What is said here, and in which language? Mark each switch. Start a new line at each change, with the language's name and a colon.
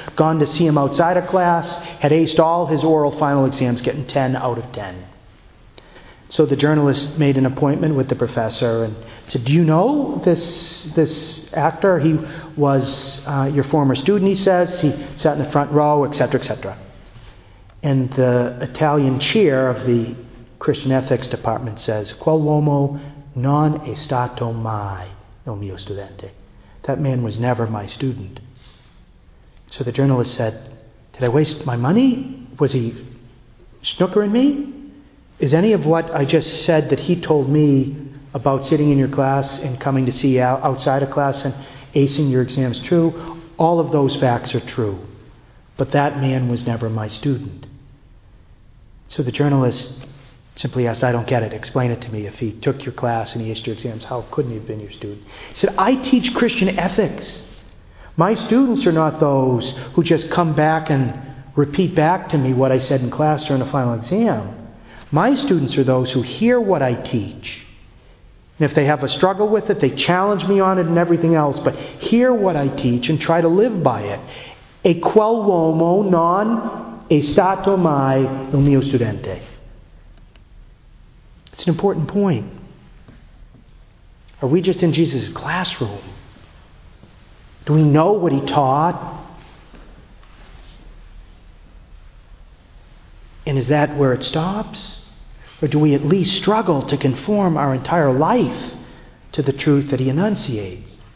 English: Gone to see him outside of class, had aced all his oral final exams, getting 10 out of 10. So the journalist made an appointment with the professor and said, do you know this actor? He was your former student, he says. He sat in the front row, etc., etc. And the Italian chair of the Christian ethics department says,
Italian: quel uomo non è stato mai il mio studente.
English: That man was never my student. So the journalist said, did I waste my money? Was he snookering me? Is any of what I just said that he told me about sitting in your class and coming to see you outside of class and acing your exams true? All of those facts are true. But that man was never my student. So the journalist simply asked, I don't get it. Explain it to me. If he took your class and he aced your exams, how couldn't he have been your student? He said, I teach Christian ethics. My students are not those who just come back and repeat back to me what I said in class during a final exam. My students are those who hear what I teach. And if they have a struggle with it, they challenge me on it and everything else, but hear what I teach and try to live by it.
Italian: E quel uomo non è stato mai il mio studente.
English: It's an important point. Are we just in Jesus' classroom? Do we know what he taught? And is that where it stops? Or do we at least struggle to conform our entire life to the truth that he enunciates?